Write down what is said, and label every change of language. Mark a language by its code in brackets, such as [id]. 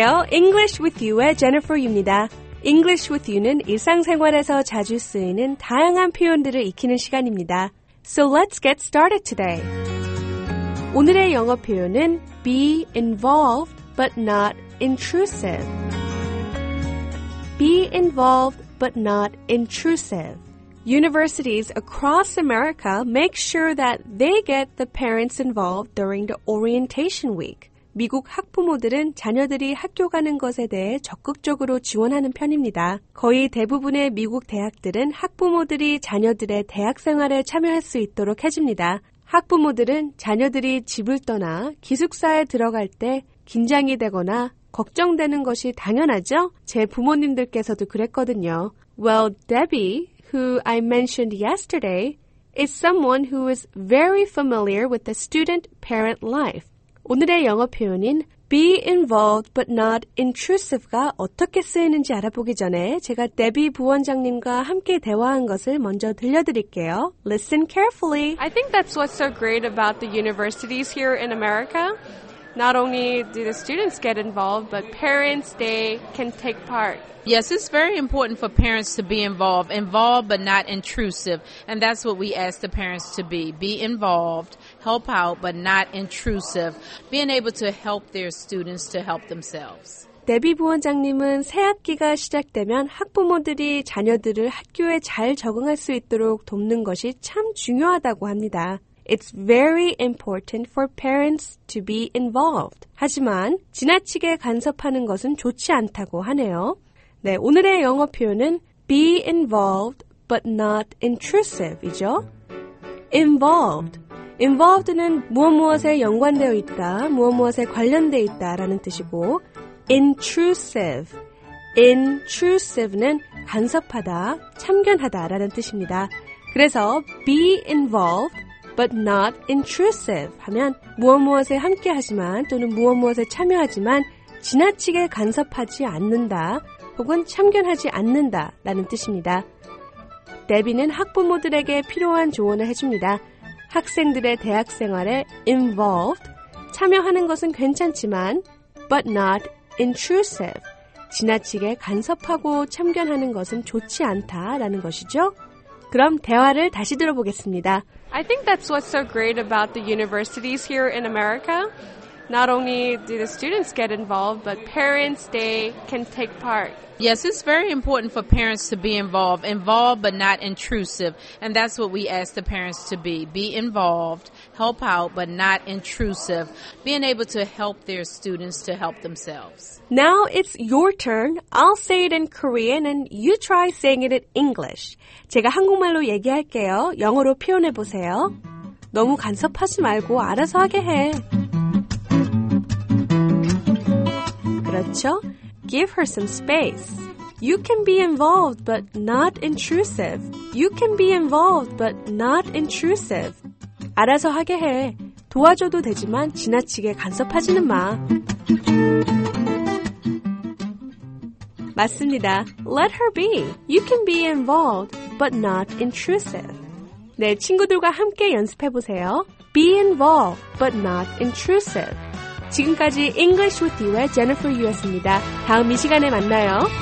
[ko] English with you의 Jennifer입니다. English with you는 일상생활에서 자주 쓰이는 다양한 표현들을 익히는 시간입니다. [en] So let's get started today. [ko] 오늘의 영어 표현은 [en] be involved but not intrusive. Be involved but not intrusive. Universities across America make sure that they get the parents involved during the orientation week. [ko] 미국 학부모들은 자녀들이 학교 가는 것에 대해 적극적으로 지원하는 편입니다. 거의 대부분의 미국 대학들은 학부모들이 자녀들의 대학 생활에 참여할 수 있도록 해줍니다. 학부모들은 자녀들이 집을 떠나 기숙사에 들어갈 때 긴장이 되거나 걱정되는 것이 당연하죠? 제 부모님들께서도 그랬거든요. [en] Well, Debbie, who I mentioned yesterday, is someone who is very familiar with the student-parent life. [ko] 오늘의 영어 표현인 [en] be involved but not intrusive [ko] 가 어떻게 쓰이는지 알아보기 전에 제가 데비 부원장님과 함께 대화한 것을 먼저 들려드릴게요. [en] Listen carefully. I think that's what's so great about the universities here in America. Not only do the students get involved, but parents, they can take part. Yes, it's very important for parents to be involved. Involved but not intrusive. And that's what we ask the parents to be. Be involved, help out, but not intrusive. Being able to help their students to help themselves. [ko] 데비 부원장님은 새학기가 시작되면 학부모들이 자녀들을 학교에 잘 적응할 수 있도록 돕는 것이 참 중요하다고 합니다. [en] It's very important for parents to be involved. [ko] 하지만 지나치게 간섭하는 것은 좋지 않다고 하네요. 네, 오늘의 영어 표현은 [en] be involved but not intrusive [ko] 이죠. [en] Involved. [ko] Involved는 무엇무엇에 연관되어 있다, 무엇무엇에 관련되어 있다라는 뜻이고 intrusive. Intrusive는 간섭하다, 참견하다라는 뜻입니다. 그래서 [en] be involved but not intrusive [ko] 하면 무엇무엇에 함께하지만 또는 무엇무엇에 참여하지만 지나치게 간섭하지 않는다 혹은 참견하지 않는다 라는 뜻입니다. 데비는 학부모들에게 필요한 조언을 해줍니다. 학생들의 대학생활에 involved, 참여하는 것은 괜찮지만 [en] but not intrusive, [ko] 지나치게 간섭하고 참견하는 것은 좋지 않다라는 것이죠. 그럼 대화를 다시 들어보겠습니다. [en] I think that's what's so great about the universities here in America. Not only do the students get involved, but parents, they can take part. Yes, it's very important for parents to be involved. Involved but not intrusive. And that's what we ask the parents to be. Be involved, help out, but not intrusive. Being able to help their students to help themselves. Now it's your turn. I'll say it in Korean and you try saying it in English. [ko] 제가 한국말로 얘기할게요. 영어로 표현해 보세요. 너무 간섭하지 말고 알아서 하게 해. 그렇죠? [en] Give her some space. You can be involved but not intrusive. You can be involved but not intrusive. [ko] 알아서 하게 해. 도와줘도 되지만 지나치게 간섭하지는 마. 맞습니다. [en] Let her be. You can be involved but not intrusive. [ko] 네, 친구들과 함께 연습해 보세요. [en] Be involved but not intrusive. [ko] 지금까지 English with You의 Jennifer Yu였습니다. 다음 이 시간에 만나요.